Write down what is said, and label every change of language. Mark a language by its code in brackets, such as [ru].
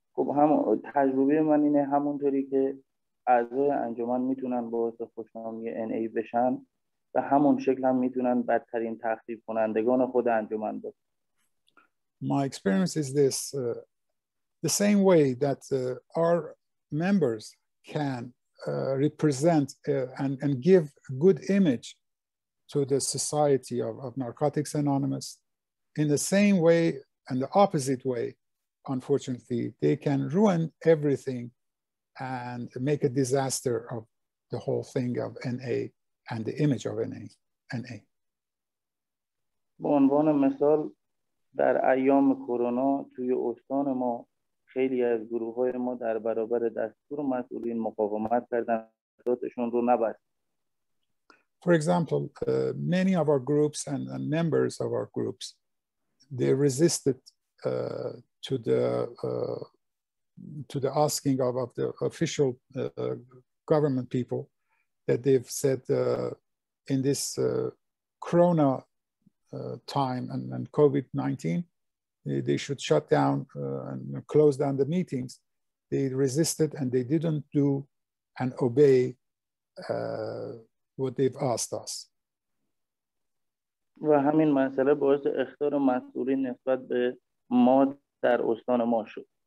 [fa] همونطوری که اعضای انجمن میتونن باعث خوشنامی NA بشن و همون شکل هم میتونن بدترین تخریب کنندگان خود انجمن باشن. [en] My experience is this. The same way that our members can represent and give good image to the society of Narcotics Anonymous, in the same way and the opposite way, unfortunately, they can ruin everything and make a disaster of the whole thing of NA and the image of NA. [fa] به عنوان مثال در ایام کرونا توی استان ما خیلی از گروه های ما در برابر دستور مسئولین مقاومت کردن ذاتشون رو نبست. [en] For example, many of our groups and members of our groups, they resisted to the to the asking of the official government people that they've said in this corona time and COVID-19 they should shut down and close down the meetings they resisted and they didn't do and obey what they've asked us [fa] و همین مسئله باعث اخطار مسئولین نسبت به ما در استان ما شد